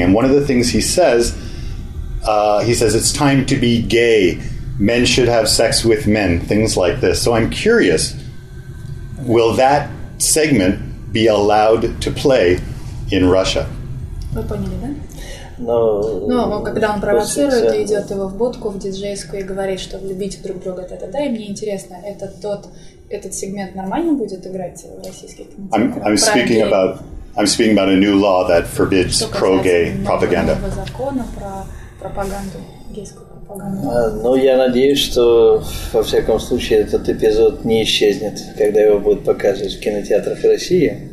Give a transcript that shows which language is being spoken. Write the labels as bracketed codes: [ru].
[en] And one of the things he says, it's time to be gay. Men should have sex with men. Things like this. So I'm curious, will that segment be allowed to play in Russia? [ru] Вы поняли, да? но... Ну, когда он провоцирует, и идет его в будку, в диджейскую, и говорит, что любите друг друга, да, и мне интересно, это тот, этот сегмент нормально будет играть в российских кинотеатрах? [en] I'm speaking about a new law that forbids pro-gay propaganda. [ru] Нового закона про пропаганду, гейскую пропаганду. Ну, я надеюсь, что, во всяком случае, этот эпизод не исчезнет, когда его будут показывать в кинотеатрах России.